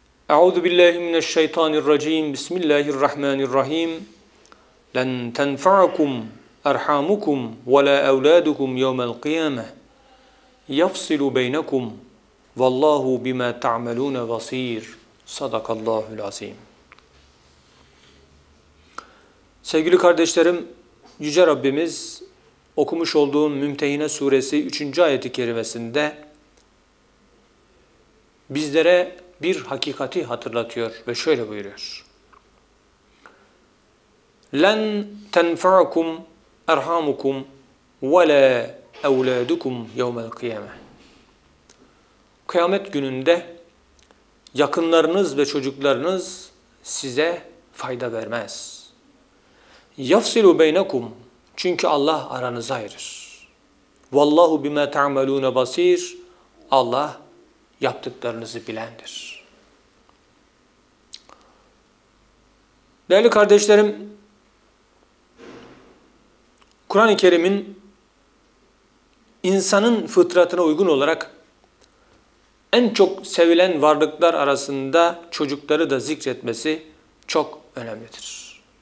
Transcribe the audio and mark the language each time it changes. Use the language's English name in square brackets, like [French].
[Arabic] أعوذ بالله من الشيطان الرجيم بسم الله الرحمن الرحيم لن تنفعكم أرحامكم ولا أولادكم يوم القيامة يفصل بينكم والله بما تعملون بصير صدق الله العظيم. [Turkish] Sevgili kardeşlerim, Yüce Rabbimiz okumuş olduğum Mümtehine Suresi 3. ayeti kerimesinde bizlere bir hakikati hatırlatıyor ve şöyle buyuruyor. [Arabic] لَنْ تَنْفَعَكُمْ اَرْحَامُكُمْ وَلَا اَوْلَادُكُمْ يَوْمَ الْقِيَمَةِ [Turkish] Kıyamet gününde yakınlarınız ve çocuklarınız size fayda vermez. [Arabic] يَفْصِلُ بَيْنَكُمْ [Turkish] Çünkü Allah aranızı ayırır. [Arabic] وَاللّٰهُ بِمَا تَعْمَلُونَ بَصِيرٌ [Turkish] Allah yaptıklarınızı bilendir. Değerli kardeşlerim, Kur'an-ı Kerim'in insanın fıtratına uygun olarak en çok sevilen varlıklar arasında çocukları da zikretmesi çok önemlidir.